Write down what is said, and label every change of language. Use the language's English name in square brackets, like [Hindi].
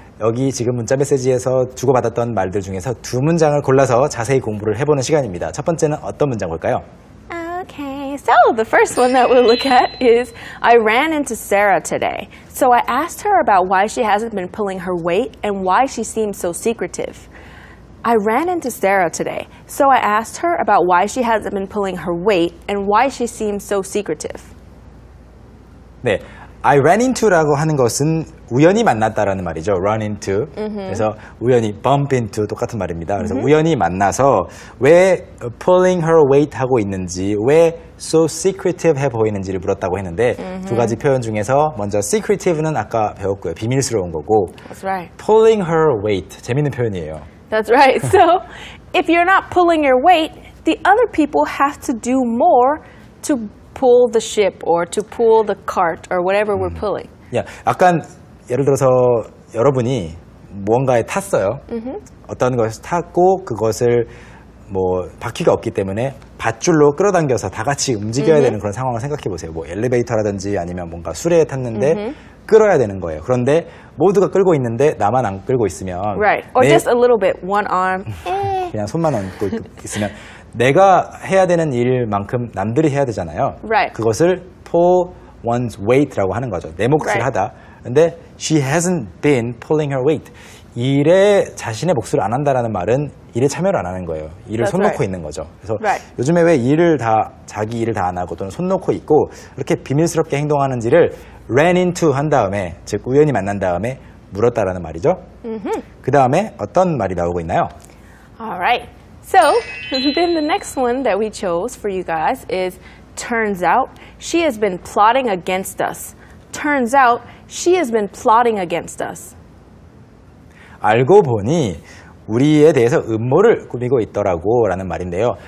[Korean] 여기 지금 문자 메시지에서 주고받았던 말들 중에서 두 문장을 골라서 자세히 공부를 해보는 시간입니다. 첫 번째는 어떤 문장 걸까요? [English] Okay, so the first one that we'll look at is, I ran into Sarah today. So I asked her about why she hasn't been pulling her weight and why she seems so secretive. I ran into Sarah today. So I asked her about why she hasn't been pulling her weight and why she seems so secretive. [Korean] 네, I ran into라고 하는 것은 우연히 만났다라는 말이죠. Run into. 그래서 우연히 bump into 똑같은 말입니다. 그래서 우연히 만나서 왜 pulling her weight 하고 있는지, 왜 so secretive 해 보이는지를 물었다고 했는데 두 가지 표현 중에서 먼저 secretive는 아까 배웠고요. 비밀스러운 거고 [English] That's right. [Korean] pulling her weight. 재밌는 표현이에요. [English] That's right. So if you're not pulling your weight, the other people have to do more to pull the ship or to pull the cart or whatever we're pulling. Yeah. [Korean] 약간 예를 들어서 여러분이 무언가에 탔어요. 어떤 것을 탔고 그것을 뭐 바퀴가 없기 때문에 밧줄로 끌어당겨서 다 같이 움직여야 되는 그런 상황을 생각해 보세요. 뭐 엘리베이터라든지 아니면 뭔가 수레에 탔는데 끌어야 되는 거예요. 그런데 모두가 끌고 있는데 나만 안 끌고 있으면 [English] Right. Or just a little bit. One arm. [Korean] 그냥 손만 얹고 있으면 내가 해야 되는 일만큼 남들이 해야 되잖아요. [English] Right. [Korean] 그것을 pull one's weight라고 하는 거죠. 내 몫을 [English] right. [Korean] 하다. 근데 [English] she hasn't been pulling her weight. [Korean] 일에 자신의 몫을 안 한다라는 말은 일에 참여를 안 하는 거예요. 일을 손 놓고 [English] right. [Korean] 있는 거죠. 그래서 [English] right. [Korean] 요즘에 왜 일을 다 자기 일을 다 안 하고 또는 손 놓고 있고 이렇게 비밀스럽게 행동하는지를 ran into 한 다음에 즉 우연히 만난 다음에 물었다라는 말이죠. 그 다음에 어떤 말이 나오고 있나요? [English] All right. So then the next one that we chose for you guys is turns out she has been plotting against us. Turns out she has been plotting against us. [Korean] 알고 보니 우리에 대해서 음모를 꾸미고 있더라고 라는 말인데요.